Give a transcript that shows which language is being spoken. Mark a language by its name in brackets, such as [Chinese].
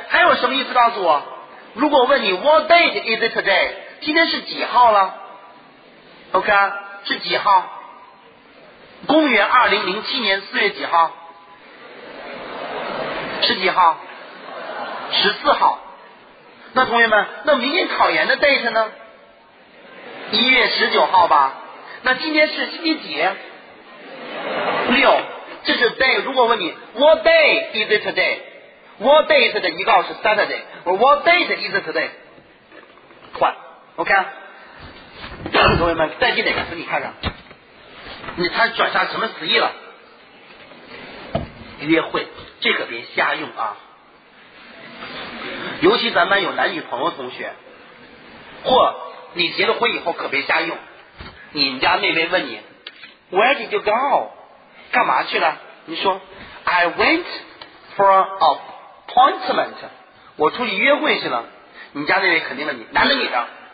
[Chinese] 还有什么意思告诉我，如果问你 [English] What date is it today， [Chinese] 今天是几号了 OK， 是几号，公元2007年4月几号，是几号，14号。那同学们那明天考研的 date 呢，1月19号吧，那今天是星期几，六，这是 day。如果问你 [English] What day is it today， What day is it today， [Chinese] 你告诉我是 [English] Saturday， What date is it today， 换 OK。 [Chinese] 同学们代替哪个词你看看，你他转下什么词义了，约会这可别瞎用啊，尤其咱们有男女朋友同学或你结了婚以后可别瞎用，你们家妹妹问你 [English] Where did you go， [Chinese] 干嘛去了，你说 [English] I went for an appointment， [Chinese] 我出去约会去了，你家那位肯定问你男的女的，